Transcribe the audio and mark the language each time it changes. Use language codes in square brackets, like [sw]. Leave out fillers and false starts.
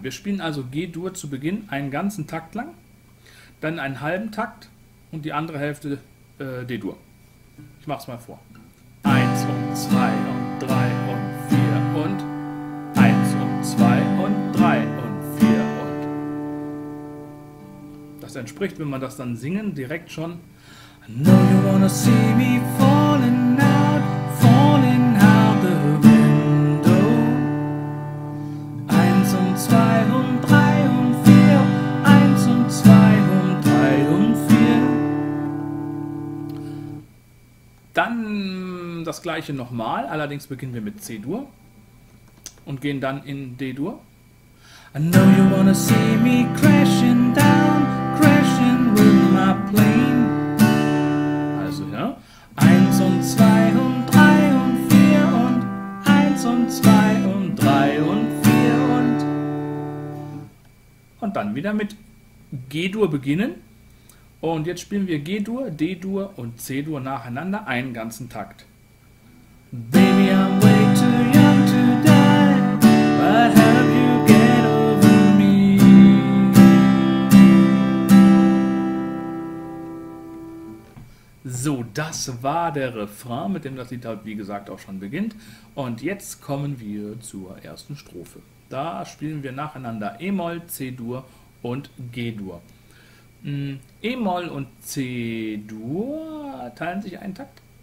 [de] Wir spielen also G-Dur zu Beginn einen ganzen Takt lang, dann einen halben Takt und die andere Hälfte D-Dur. Ich mach's mal vor. 1 und 2 und 3 und 4 und 1 und 2 und 3 und 4 und das entspricht, wenn man das dann singen, direkt schon. [en] I know you wanna see me falling out the window. [de] 1 und 2 und 3 und 4, 1 und 2 und 3 und 4. Dann das gleiche nochmal, allerdings beginnen wir mit C-Dur und gehen dann in D-Dur. [en] I know you wanna see me crashing down, crashing with my plane. [de] Also ja, 1 und 2 und 3 und 4 und 1 und 2 und 3 und 4 und dann wieder mit G-Dur beginnen und jetzt spielen wir G-Dur, D-Dur und C-Dur nacheinander einen ganzen Takt. [en] Baby, I'm way too young to die, but help you get over me. [de] So, das war der Refrain, mit dem das Lied, wie gesagt, auch schon beginnt. Und jetzt kommen wir zur ersten Strophe. Da spielen wir nacheinander E-Moll, C-Dur und G-Dur. E-Moll und C-Dur teilen sich einen Takt.